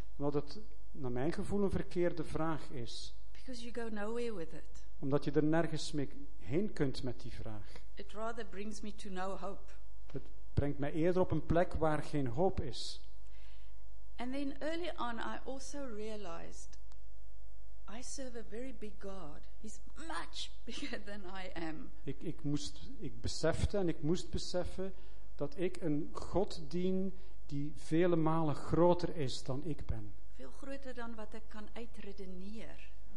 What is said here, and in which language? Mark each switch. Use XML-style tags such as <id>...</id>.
<nl>Omdat het naar mijn gevoel een verkeerde vraag is.</nl> <en>Because you go nowhere with it.</en> <nl>Omdat je er nergens mee heen kunt met die vraag.</nl> <en>It rather brings me to no hope.</en> <nl>Brengt mij eerder op een plek waar geen hoop is.</nl> <en>And then early on I also realized I serve a very big God. He's much bigger than I am.</en> <nl>Ik besefte dat ik een God dien die vele malen groter is dan ik ben. Veel groter dan wat ik kan uitredeneer.</nl>